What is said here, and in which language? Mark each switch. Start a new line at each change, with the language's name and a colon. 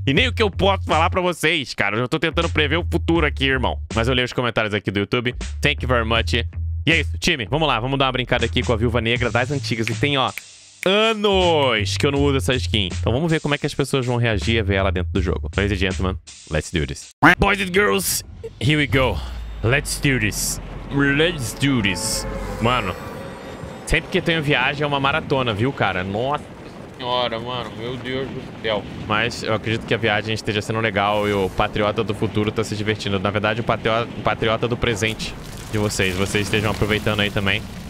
Portuguese: E nem o que eu posso falar pra vocês, cara. Eu já tô tentando prever o futuro aqui, irmão. Mas eu leio os comentários aqui do YouTube.
English: Thank you very much.
Portuguese: E é isso, time. Vamos lá, vamos dar uma brincada aqui com a Viúva Negra das antigas. E tem, ó, anos que eu não uso essa skin. Então vamos ver como é que as pessoas vão reagir a ver ela dentro do jogo.
English: Ladies and gentlemen, let's do this. Boys and girls, here we go. Let's do this. Let's do this.
Portuguese: Mano, sempre que tenho viagem é uma maratona, viu, cara? Nossa senhora, mano. Meu Deus do céu. Mas eu acredito que a viagem esteja sendo legal e o patriota do futuro tá se divertindo. Na verdade, o patriota do presente de vocês. Vocês estejam aproveitando aí também.